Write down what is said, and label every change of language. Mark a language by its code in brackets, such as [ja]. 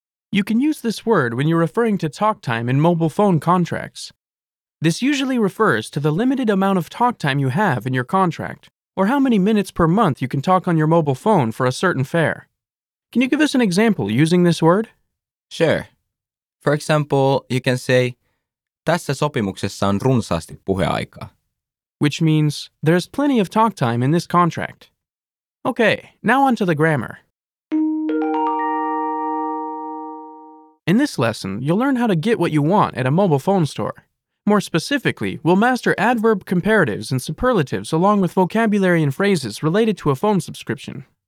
[en] You can use this word when you're referring to talk time in mobile phone contracts. This usually refers to the limited amount of talk time you have in your contract, or how many minutes per month you can talk on your mobile phone for a certain fare. Can you give us an example using this word? Sure. For example, you can say, [fi] tässä sopimuksessa on runsaasti puheaikaa. [en] Which means, there's plenty of talk time in this contract. Okay, now on to the grammar. In this lesson, you'll learn how to get what you want at a mobile phone store. More specifically, we'll master adverb comparatives and superlatives along with vocabulary and phrases related to a phone subscription.